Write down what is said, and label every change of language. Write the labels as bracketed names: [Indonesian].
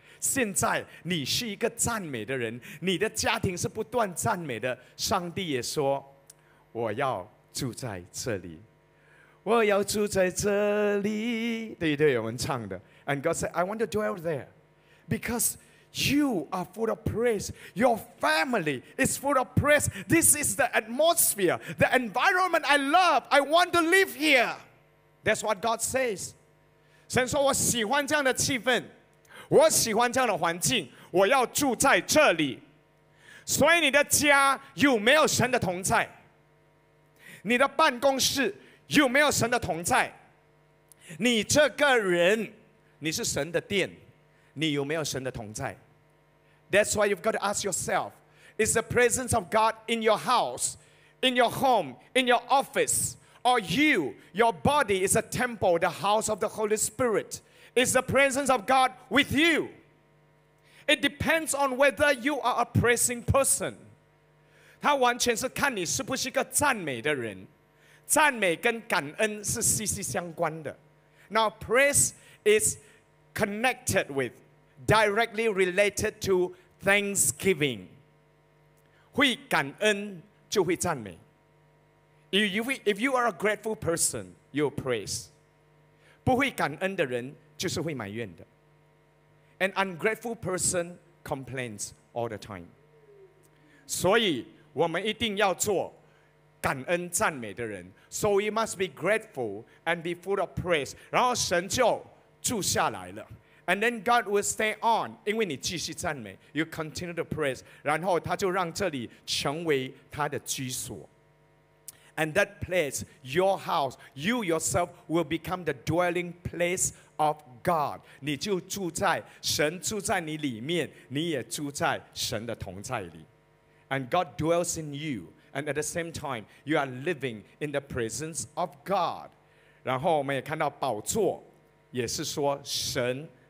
[Chinese] 现在你是一个赞美的人，你的家庭是不断赞美的。上帝也说，我要住在这里，我要住在这里。对对，我们唱的。 [English] And God said, I want to dwell there. Because you are full of praise. Your family is full of praise. This is the atmosphere, the environment I love. I want to live here. That's what God says. [Chinese] 神说我喜欢这样的气氛，我喜欢这样的环境，我要住在这里。所以你的家有没有神的同在？你的办公室有没有神的同在？你这个人，你是神的殿。你有没有神的同在 [English] That's why you've got to ask yourself Is the presence of God in your house In your home In your office Or you Your body is a temple The house of the Holy Spirit Is the presence of God with you It depends on whether you are a praising person [Chinese] 它完全是看你是不是一个赞美的人赞美跟感恩是息息相关的 [English] Now praise is connected withDirectly related to thanksgiving. [Chinese] 会感恩就会赞美。 [English] If you are a grateful person, you'll praise. [Chinese] 不会感恩的人就是会埋怨的。 [English] An ungrateful person complains all the time. [Chinese] 所以我们一定要做感恩赞美的人。 [English] So we must be grateful and be full of praise. [Chinese] 然后神就住下来了。 [English] And then God will stay on, [Chinese] 因为你继续赞美 [English] you continue to praise, [Chinese] 然后他就让这里成为他的居所。 [English] And that place, your house, you yourself will become the dwelling place of God. [Chinese] 你就住在神住在你里面，你也住在神的同在里。 [English] And God dwells in you, and at the same time, you are living in the presence of God. [Chinese] 然后我们也看到宝座，也是说神。